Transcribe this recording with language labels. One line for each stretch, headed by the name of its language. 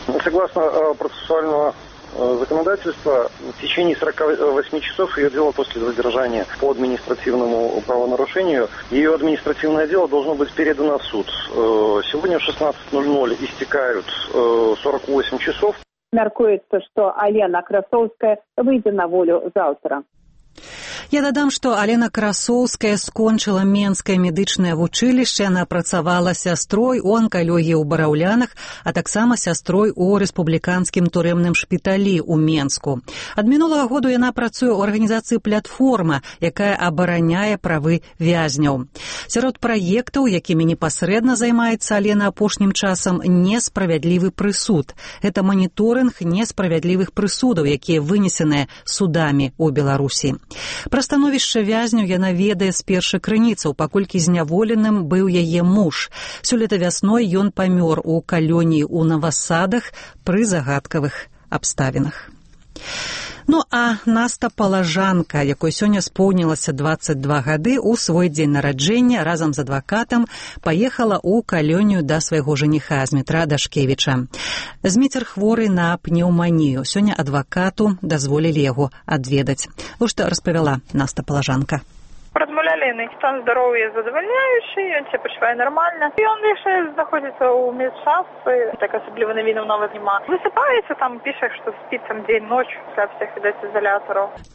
Russian: Согласно процессуального законодательства, в течение 48 часов ее дело после задержания по административному правонарушению, ее административное дело должно быть передано в суд. Сегодня в 16:00 истекают 48 часов. Меркуется, что Алена Красовская выйдет на волю завтра.
Belarusian: Я дадам, што Алена Красоўская скончыла Менскае медычнае вучылішча, яна працавала сястрой у анкалогіі ў Бараўлянах, а таксама сястрой у рэспубліканскім турэмным шпіталі ў Менску. Ад мінулага году яна працуе ў арганізацыі «Платформа», якая абараняе правы вязняў. Сярод праектаў, якімі непасрэдна займаецца Алена апошнім часам, несправядлівы прысуд. Гэта маніторынг несправядлівых прысудаў, якія вынесеныя судамі ў Беларусі. Пра становішча вязняў яна ведае з першых крыніцаў, паколькі зняволеным быў яе муж. Сёлета вясной ён памёр у калоніі ў Навасадах пры загадкавых абставінах. Ну а Наста Палажанка, якой сёння споўнілася 22 гады, у свой дзень нараджэння разам з адвакатам паехала ў калонію да свайго жаніха Змітра Дашкевіча. Змітер хворы на пнеўманію. Сёння адвакату дазволілі яго адведаць. Вось што распавяла Наста Палажанка. Размаўлялі яны, стан здароўя задавальняючы, ён цябе пачувае нармальна. І ён яшчэ знаходзіцца ў медчасы, так асабліва навінаў нават няма. Высыпаецца там, піша, што спіць там дзень-ноч, пасля всіх відаць ізалятараў.